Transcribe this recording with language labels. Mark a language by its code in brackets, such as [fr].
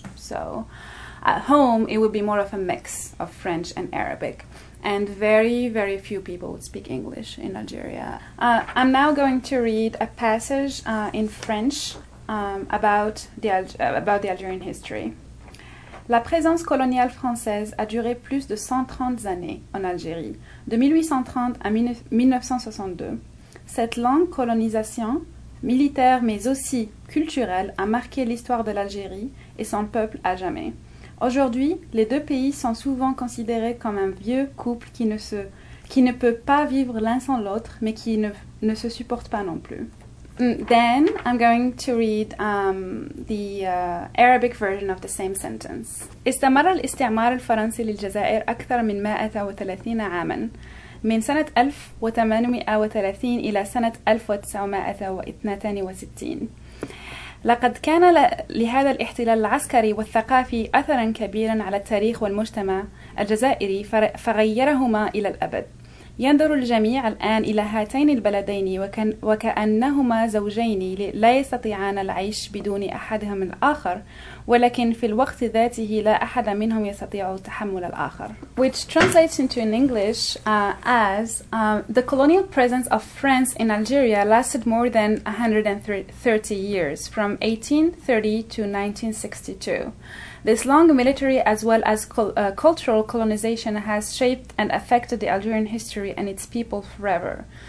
[en] So at home, it would be more of a mix of French and Arabic. And very, very few people would speak English in Algeria. I'm now going to read a passage in French about the Algerian history. [fr] La présence coloniale française a duré plus de 130 années en Algérie, de 1830 à 1962. Cette longue colonisation militaire mais aussi culturelle a marqué l'histoire de l'Algérie et son peuple à jamais. Aujourd'hui, les deux pays sont souvent considérés comme un vieux couple qui ne peut pas vivre l'un sans l'autre, mais qui ne se supporte pas non plus. [en] Then, I'm going to read the Arabic version of the same sentence. [ar] استمر الاستعمار الفرنسي للجزائر أكثر من 130 عاماً. من سنة 1830 إلى سنة 1962. لقد كان لهذا الاحتلال العسكري والثقافي أثراً كبيراً على التاريخ والمجتمع الجزائري فغيرهما إلى الأبد. ينظر الجميع الآن إلى هاتين البلدين وكأنهما زوجين لا يستطيعان العيش بدون أحدهم الآخر ولكن في الوقت ذاته لا أحد منهم يستطيع تحمل الآخر. [en] Which translates into in English as the colonial presence of France in Algeria lasted more than 130 years from 1830 to 1962. This long military as well as cultural colonization has shaped and affected the Algerian history and its people forever.